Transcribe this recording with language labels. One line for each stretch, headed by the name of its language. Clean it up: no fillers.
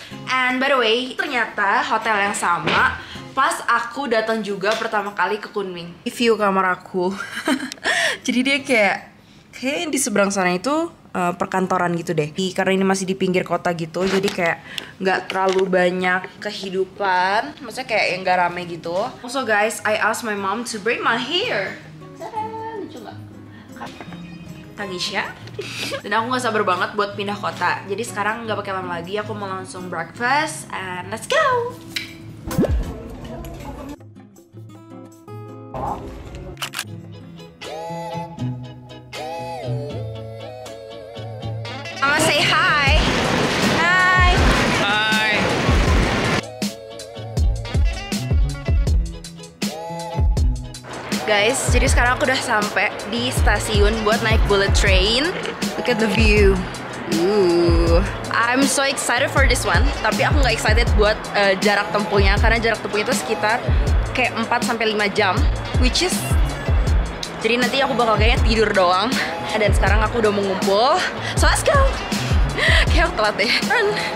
English: And by the way,
Indonesian: ternyata hotel yang sama pas aku datang juga pertama kali ke Kunming. View kamar aku. Jadi dia kayak di seberang sana itu perkantoran gitu deh. Karena ini masih di pinggir kota gitu, jadi kayak gak terlalu banyak kehidupan. Maksudnya kayak yang gak rame gitu.
English: Also guys, I asked my mom to bring my hair.
Indonesian: Tangisha. Dan aku gak sabar banget buat pindah kota. Jadi sekarang gak pakai lama lagi, aku mau langsung breakfast.
English: And let's go. I'ma say hi. Hi. Hi.
Indonesian: Guys, jadi sekarang aku udah sampai di stasiun buat naik bullet train.
English: Look at the view. Ooh, I'm so excited for this one.
Indonesian: Tapi aku nggak excited buat jarak tempuhnya karena jarak tempuhnya itu sekitar kayak 4-5 jam, which is jadi nanti aku bakal kayaknya tidur doang. Dan sekarang aku udah mau ngumpul,
English: so let's go.
Indonesian: Kayak aku telat deh. Run.